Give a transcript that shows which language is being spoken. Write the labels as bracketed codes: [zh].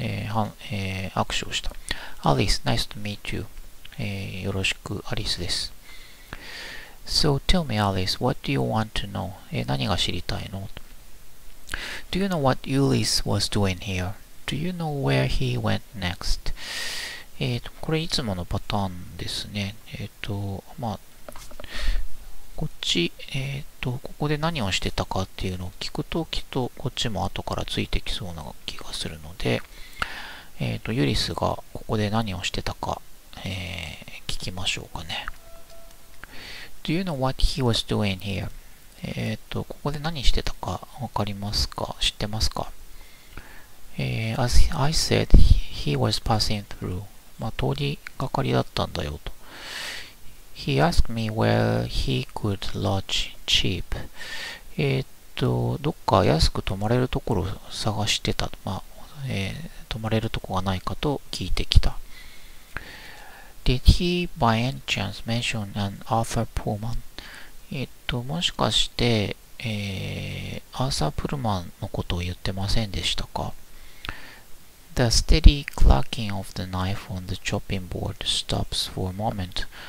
[ja] 握手をした。 [en] Alice, nice to meet you. [ja] よろしく、アリスです。 [en] So tell me, Alice, what do you want to know? [ja] 何が知りたいの？ [en] Do you know what Ulysses was doing here? Do you know where he went next? [ja] これいつものパターンですね。まあ、こっち、ここで何をしてたかっていうのを聞くときっとこっちも後からついてきそうな気がするので、ユリスがここで何をしてたか、聞きましょうかね。 [en] Do you know what he was doing here? [ja] ここで何してたかわかりますか？知ってますか？ [en] As I said, he was passing through. [ja] まあ、通りがかりだったんだよと。 [en] He asked me where he could lodge cheap. [ja] どっか安く泊まれるところを探してた。まあ、泊まれるとこがないかと聞いてきた。 [en] Did he by any chance mention an Arthur Pullman? [ja] もしかして、アーサー・プルマンのことを言ってませんでしたか？ [en] The steady clacking of the knife on the chopping board stops for a moment.